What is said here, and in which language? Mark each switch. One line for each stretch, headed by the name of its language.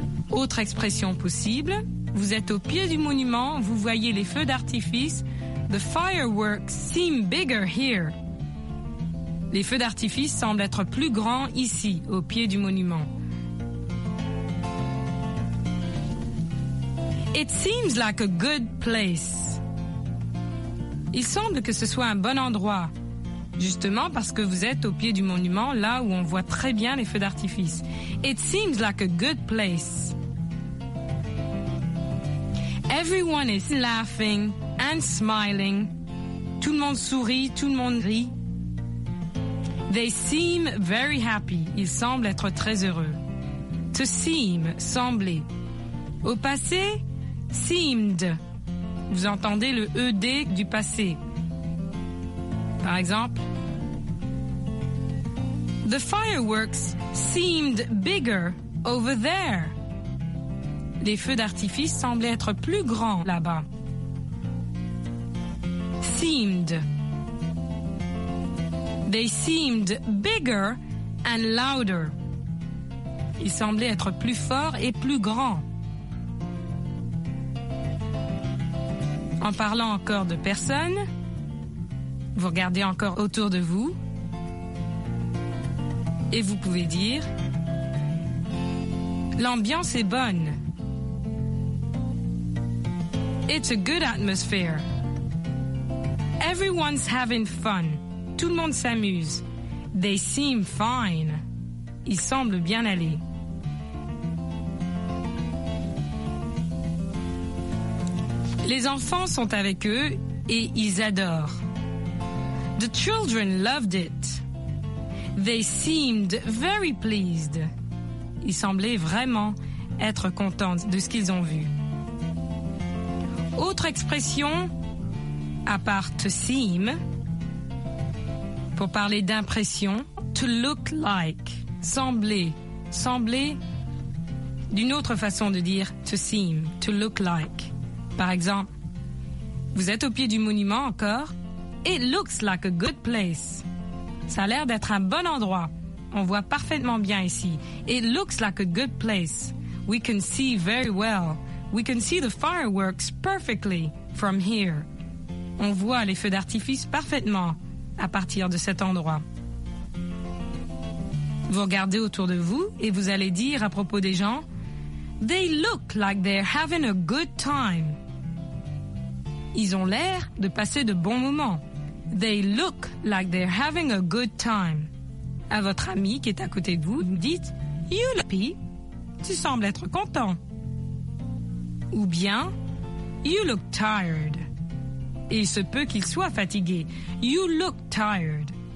French: Autre expression possible, vous êtes au pied du monument, vous voyez les feux d'artifice, «
English: The fireworks seem bigger here ».
French: Les feux d'artifice semblent être plus grands ici, au pied du monument.
English: It seems like a good place.
French: Il semble que ce soit un bon endroit, justement parce que vous êtes au pied du monument, là où on voit très bien les feux d'artifice.
English: It seems like a good place. Everyone is laughing and smiling.
French: Tout le monde sourit, tout le monde rit.
English: They seem very happy.
French: Ils semblent être très heureux.
English: To seem,
French: sembler. Au passé, seemed. Vous entendez le ED du passé. Par exemple,
English: the fireworks seemed bigger over there.
French: Les feux d'artifice semblaient être plus grands là-bas.
English: Seemed. They seemed bigger and louder.
French: Ils semblaient être plus forts et plus grands. En parlant encore de personnes, vous regardez encore autour de vous et vous pouvez dire l'ambiance est bonne.
English: It's a good atmosphere. Everyone's having fun.
French: Tout le monde s'amuse.
English: They seem fine.
French: Ils semblent bien aller. Les enfants sont avec eux et ils adorent.
English: The children loved it. They seemed very pleased.
French: Ils semblaient vraiment être contents de ce qu'ils ont vu. Autre expression, à part to seem, pour parler d'impression, to look like, sembler, sembler, d'une autre façon de dire to seem, to look like. Par exemple, vous êtes au pied du monument encore,
English: it looks like a good place.
French: Ça a l'air d'être un bon endroit, on voit parfaitement bien ici.
English: It looks like a good place, we can see very well. We can see the fireworks perfectly from here.
French: On voit les feux d'artifice parfaitement à partir de cet endroit. Vous regardez autour de vous et vous allez dire à propos des gens,
English: they look like they're having a good time.
French: Ils ont l'air de passer de bons moments.
English: They look like they're having a good time.
French: À votre ami qui est à côté de vous, vous dites,
English: you look happy.
French: Tu sembles être content. Ou bien,
English: you look tired.
French: Et il se peut qu'il soit fatigué.
English: You look tired.